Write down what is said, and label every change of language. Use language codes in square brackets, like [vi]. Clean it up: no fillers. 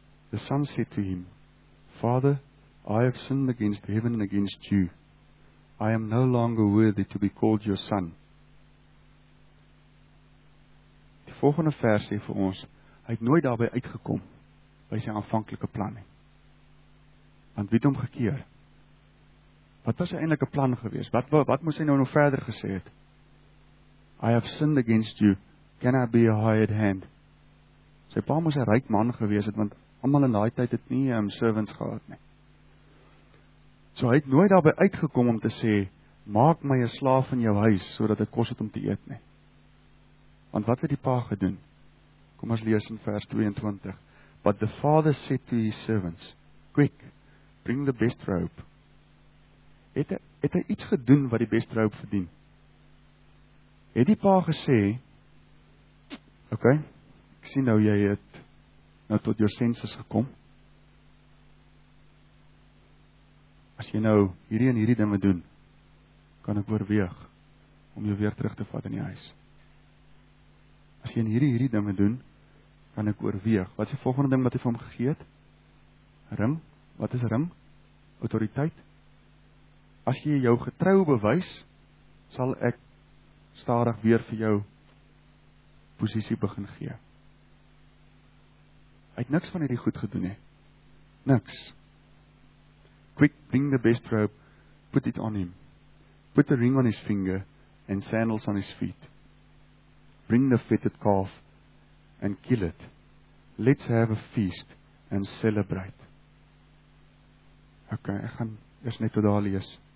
[en] The son said to him, Father, I have sinned against heaven and against you. I am no longer worthy to be called your son. [af] Die volgende vers sê vir ons, hy het nooit daarby uitgekom by sy aanvanklike plan. Want wie het hom gekeer? Wat was sy eintlike plan gewees? Wat moes sy nou nog verder gesê het? [en] I have sinned against you. Can I be a hired hand? [af] Sy pa moes 'n ryk man gewees het, want almal in daai tyd het nie servants gehad nie. So hy het nooit daarby uitgekom om te sê, maak my 'n slaaf in jou huis, sodat ek kos het om te eet nie. Want wat het die pa gedoen? Kom ons lees in vers 22. [en] But the father said to his servants, quick, bring the best robe. [af] Het hy iets gedoen wat die best robe verdien? Het die pa gesê, okay, ek sien nou jy het nou tot jou senses gekom. As jy nou hierdie en hierdie dinge doen, kan ek oorweeg om jou weer terug te vat in die huis. As jy hierdie dinge doen, kan ek oorweeg. Wat is die volgende ding wat hy vir hom gegee het? Ring. Wat is ring? Autoriteit. As jy jou getrou bewys, sal ek stadig weer vir jou posisie begin gee. Hy het niks van hierdie goed gedoen nie. Niks. [en] Quick, bring the best robe, put it on him. Put a ring on his finger and sandals on his feet. Bring the fatted calf and kill it. Let's have a feast and celebrate. [af] Okay, ek gaan eers net tot daar lees.